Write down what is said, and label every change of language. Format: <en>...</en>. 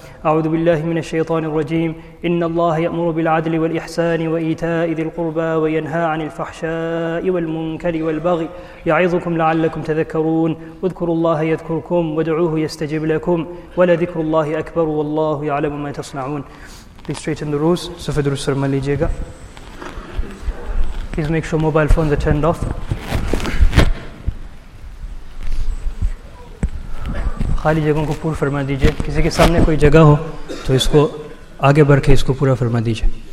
<ar>أعوذ بالله من الشيطان الرجيم: إن الله يأمر بالعدل والإحسان وإيتاء ذي القربى وينهى عن الفحشاء والمنكر والبغي يعظكم لعلكم تذكرون. اذكروا الله يذكركم وادعوه يستجب لكم، ولذكر الله أكبر والله يعلم ما تصنعون.</ar> <en>Please straighten the rows. Sufa Durus Sarman Lijega. Please make sure mobile phones are turned off.</en> <ur>خالی جگہوں کو پور فرما دیجئے، کسی کے سامنے کوئی جگہ ہو تو اس کو آگے بڑھ کے اس کو پورا فرما دیجئے.</ur>